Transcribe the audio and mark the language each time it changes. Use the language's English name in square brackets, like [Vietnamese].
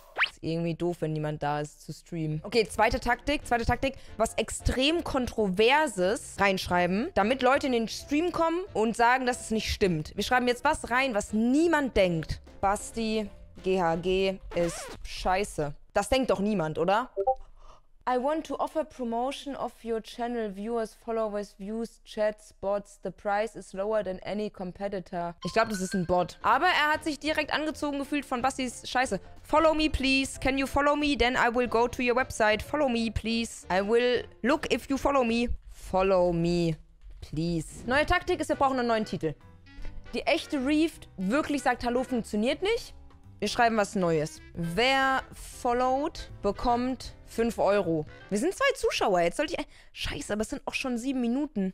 [German] Ist irgendwie doof, wenn niemand da ist zu streamen. Okay, zweite Taktik. Was extrem Kontroverses reinschreiben, damit Leute in den Stream kommen und sagen, dass es nicht stimmt. Wir schreiben jetzt was rein, was niemand denkt. Basti, GHG ist scheiße. Das denkt doch niemand, oder? [English] I want to offer promotion of your channel, viewers, followers, views, chats, bots. The price is lower than any competitor. [German] Ich glaube, das ist ein Bot. Aber er hat sich direkt angezogen gefühlt von Bastis Scheiße. [English] Follow me, please. Can you follow me? Then I will go to your website. Follow me, please. I will look if you follow me. Follow me, please. [German] Neue Taktik ist, wir brauchen einen neuen Titel. Die echte Reefed wirklich sagt Hallo funktioniert nicht. Wir schreiben was Neues. Wer followed, bekommt 5 Euro. Wir sind 2 Zuschauer, jetzt sollte ich... Scheiße, aber es sind auch schon 7 Minuten.